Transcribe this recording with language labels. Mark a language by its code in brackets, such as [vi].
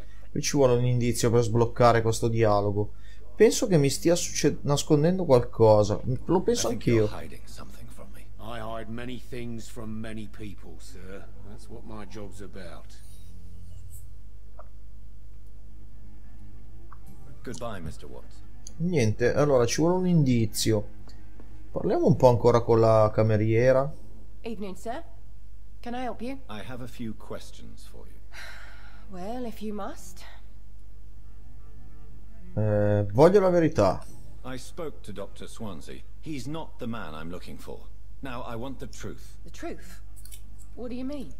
[it] Qui ci vuole un indizio per sbloccare questo dialogo. Penso che mi stia nascondendo qualcosa. Lo penso anch'io. [en] I hide many things from many people, sir. That's what my job's about. Goodbye, Mr. Watts. [it] Niente, allora ci vuole un indizio. Parliamo un po' ancora con la cameriera. [en] Evening, sir. Can I help you? I have a few questions for you. Well, if you must. [it] Voglio la verità. [en] I spoke to Dr. Swansea. He's not the man I'm looking for. Now I want the truth. The truth? What do you mean?